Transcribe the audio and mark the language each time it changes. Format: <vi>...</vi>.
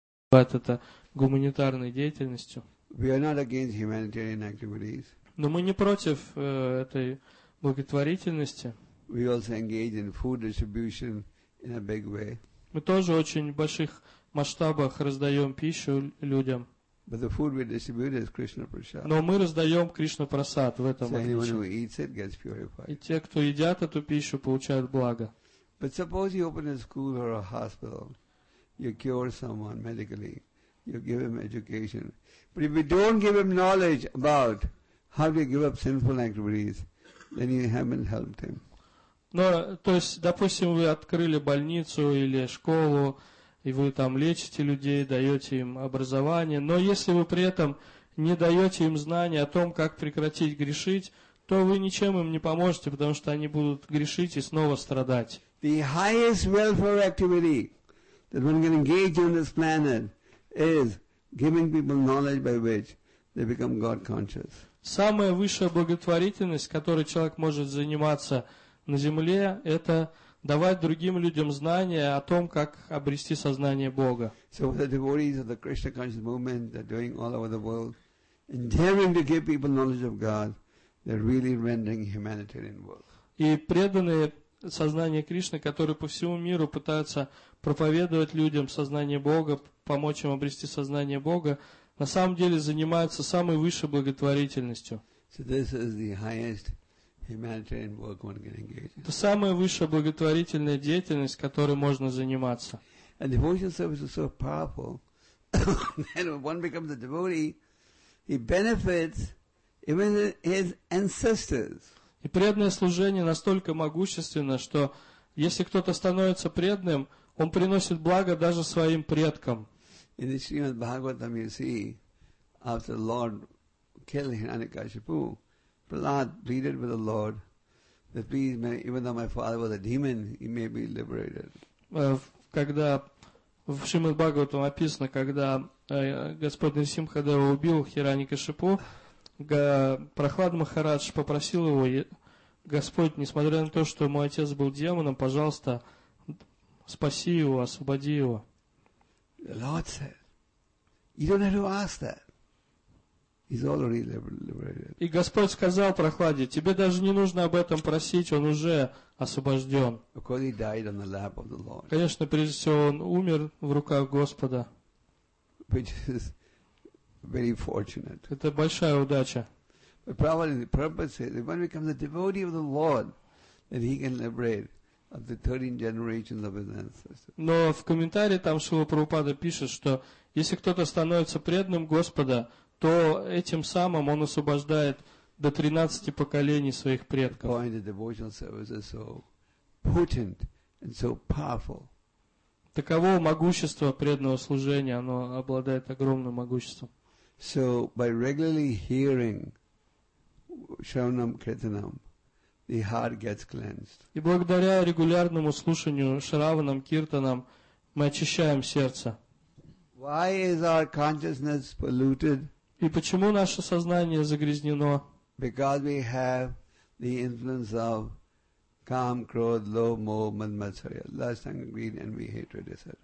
<ru>Это гуманитарной деятельностью.</ru> <en>We are not against humanitarian activities.</en> <ru>Но мы не против этой благотворительности.</ru> <en>We also engage in food distribution in a big way.</en> <ru>Мы тоже очень в больших масштабах раздаем пищу людям.</ru> <en>But the food we distribute is Krishna prasad.</en> <ru>Но мы раздаем Кришна прасад в этом отличии.</ru> <en>So anyone who eats it gets purified.</en> <ru>И те, кто едят эту пищу, получают благо.</ru> <en>But suppose you open a school or a hospital. You cure someone medically. You give him education. But if you don't give him knowledge about how to give up sinful activities, then you haven't helped him.</en> <ru>Но, то есть, допустим, вы открыли больницу или школу, и вы там лечите людей, даете им образование, но если вы при этом не даете им знания о том, как прекратить грешить, то вы ничем им не поможете, потому что они будут грешить и снова страдать.</ru> <en>The highest welfare activity that one can engage on this planet is giving people knowledge by which they become God conscious.</en> <ru>Самая высшая благотворительность, которой человек может заниматься на Земле, это давать другим людям знания о том, как обрести сознание Бога.</ru> <en>So the devotees of the Krishna conscious movement that are doing all over the world, endeavoring to give people knowledge of God, they're really rendering humanitarian work.</en> <ru>И преданные сознание Кришны, которые по всему миру пытаются проповедовать людям сознание Бога, помочь им обрести сознание Бога, на самом деле занимаются самой высшей благотворительностью.</ru> <en>So this is the highest humanitarian work one can engage in.</en> <ru>Это самая высшая благотворительная деятельность, которой можно заниматься.</ru> <en>And devotion service is so powerful that when one becomes a devotee, he benefits even his ancestors.</en> <ru>И преданное служение настолько могущественно, что Если кто-то становится преданным, он приносит благо даже своим предкам.</ru> <en>In the Srimad Bhagavatam, you see, after the Lord killed Hiranyakashipu, Prahlad pleaded with the Lord that please, may, even though my father was a demon, he may be liberated.</en> <ru>Когда в Шримад Бхагаватам описано, когда Господь Нарсимхадева убил Хираньякашипу, Прохлад Махарадж попросил его: Господь, несмотря на то, что мой отец был демоном, пожалуйста, спаси его, освободи его.</ru> <en>The Lord said, you don't have to ask that. He's already liberated.</en> <ru>И Господь сказал Прохладе: тебе даже не нужно об этом просить, он уже освобожден.</ru> <en>Because he died on the lap of the Lord.</en> <ru>Конечно, прежде всего, он умер в руках Господа.</ru> <en>Which is very fortunate.</en> <ru>Это большая удача.</ru> <en>But probably the purpose is, if one becomes a devotee of the Lord, then he can liberate of the 13 generations of his ancestors.</en> <ru>Но в комментарии там Шрила Прабхупада пишет, что если кто-то становится преданным Господа, то этим самым он освобождает до 13 поколений своих предков.</ru> <en>Why the devotional service is so potent and so powerful.</en> <ru>Таково могущество преданного служения, оно обладает огромным могуществом.</ru> <en>So by regularly hearing Shravanam Kirtanam, the heart gets cleansed.</en> <ru>И благодаря регулярному слушанию Шраванам Киртанам мы очищаем сердце.</ru> <en>Why is our consciousness polluted?</en> <ru>И почему наше сознание загрязнено?</ru> <en>Because we have the influence of kam, krodh, lobh, moh, mad, matsarya, lust, anger, greed, envy, hatred, etc.</en>